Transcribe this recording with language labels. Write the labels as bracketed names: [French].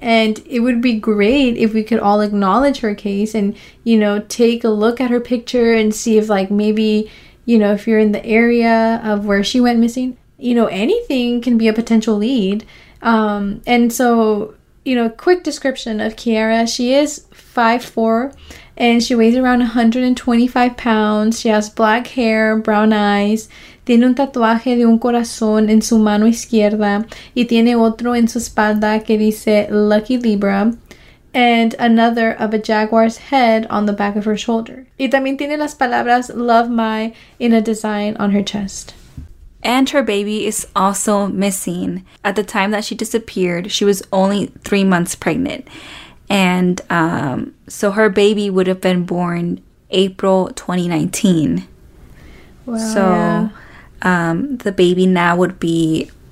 [English] And it would be great if we could all acknowledge her case and, you know, take a look at her picture and see if, like, maybe, you know, if you're in the area of where she went missing, you know, anything can be a potential lead. And so, you know, quick description of Kara. She is 5'4". And she weighs around 125 pounds. She has black hair, brown eyes. [Spanish] Tiene un tatuaje de un corazón en su mano izquierda. Y tiene otro en su espalda que dice Lucky Libra. [English] And another of a jaguar's head on the back of her shoulder. [Spanish] Y también tiene las palabras Love My [English] in a design on her chest. And her baby is also missing. At the time that she disappeared, she was only 3 months pregnant. And so her baby would have been born April 2019. Wow. So yeah. The baby now would be